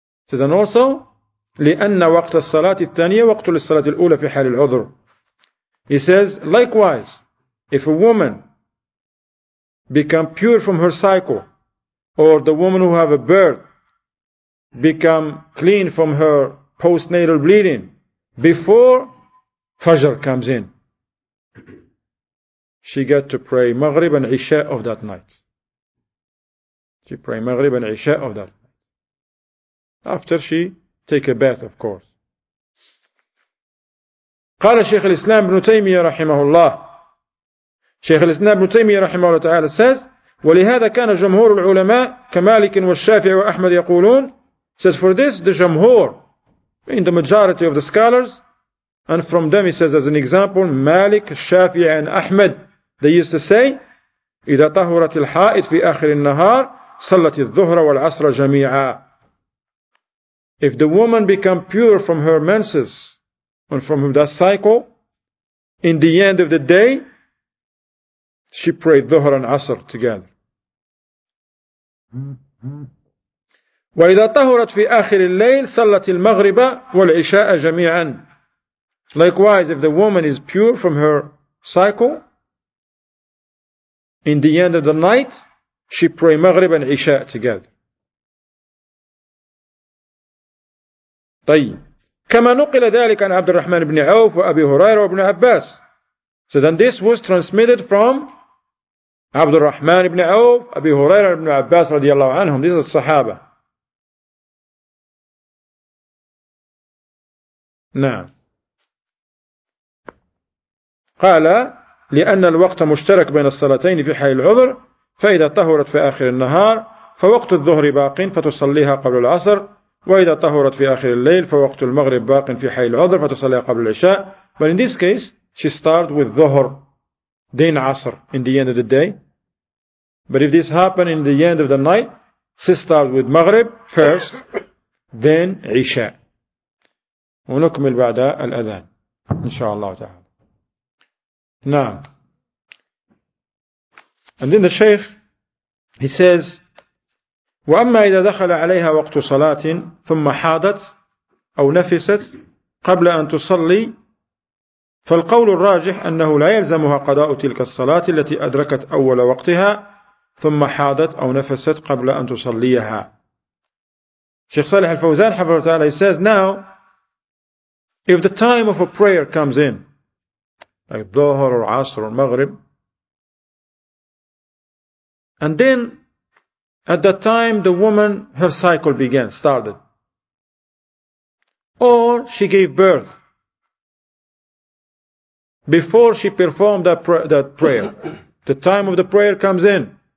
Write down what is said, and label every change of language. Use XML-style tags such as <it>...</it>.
<en>Says, and also,</en> <ar>لِأَنَّ وَقْتَ الصَّلَاةِ الثَّانِيَةِ وَقْتُ لِلصَّلَاةِ الْأُولَى فِي حَالِ الْعُذْرِ.</ar> <en>He says, likewise, if a woman become pure from her cycle, or the woman who have a birth become clean from her postnatal bleeding before Fajr comes in, she got to pray Maghrib and Isha of that night. She pray Maghrib and Isha of that night. After she take a bath, of course.</en> <ar>قال شيخ الإسلام بن تيمية رحمه الله. شيخ الإسلام بن تيمية رحمه الله تعالى</ar> <en>says,</en> <ar>ولهذا كان جمهور العلماء كمالك والشافعي وأحمد يقولون,</ar> <en>says, for this the جمهور, in the majority of the scholars, and from them he says as an example, Malik, Shafi'i and Ahmed, they used to say,</en> <ar>إِذَا طَهُرَتِ الْحَائِدْ فِي آخِرِ النَّهَارِ صَلَّتِ الظُّهْرَ وَالْعَصْرَ جَمِيعًا.</ar> <en>If the woman become pure from her menses, and from that cycle, in the end of the day, she prayed Dhuhr and Asr together.</en> <ar>وَإِذَا طَهُرَتْ فِي آخِرِ اللَّيْلِ صَلَّتِ الْمَغْرِبَ وَالْعِشَاءَ جَمِيعًا.</ar> <en>Likewise, if the woman is pure from her cycle, in the end of the night, she pray Maghrib and Isha together.</en> <ar>طيب. كَمَا نُقِلَ ذَلِكَ عَنْ عَبْدِ الرَّحْمَنِ بْنِ عَوْفُ وَأَبِي هُرَيْرَ وَابْنِ عَبَّاسِ.</ar> <en>So then this was transmitted from</en> <ar>عَبْدِ الرَّحْمَنِ بْنِ عَوْفُ أَبِي هُرَيْرَ وَابْنِ عَبَّاسِ رَضِيَ اللَّهُ عَنْهُمْ.</ar> <en>This is Sahaba.</en> <ar>نعم. قال لأن الوقت مشترك بين الصلاتين في حال العذر فإذا طهرت في آخر النهار فوقت الظهر باق فتصليها قبل العصر وإذا طهرت في آخر الليل فوقت المغرب باق في حال العذر فتصليها قبل العشاء.</ar> <en>But in this case she started with ظهر then عصر in the end of the day. But if this happened in the end of the night, she started with مغرب first then عشاء.</en> <ar>ونكمل بعد الأذان إن شاء الله تعالى. نعم.</ar> <en>And then the Shaykh, he says,</en> <ar>وَأَمَّا إِذَا دَخَلَ عَلَيْهَا وَقْتُ صَلَاةٍ ثُمَّ حَادَتْ أَوْ نَفِسَتْ قَبْلَ أَن تُصَلِّي فَالْقَوْلُ الرَّاجِحُ أَنَّهُ لَا يَلْزَمُهَا قَضَاءُ تِلْكَ الصَّلَاةِ الَّتِي أَدْرَكَتْ أَوَّلَ وَقْتِهَا ثم حاضت أو نفست قبل أن تصليها. شيخ صالح الفوزان حفظه تعالى,</ar> <en>he says, now if the time of a prayer comes in, like Dhuhr or Asr or Maghrib, and then at that time the woman, her cycle began, started, or she gave birth before she performed that prayer, the time of the prayer comes in.</en>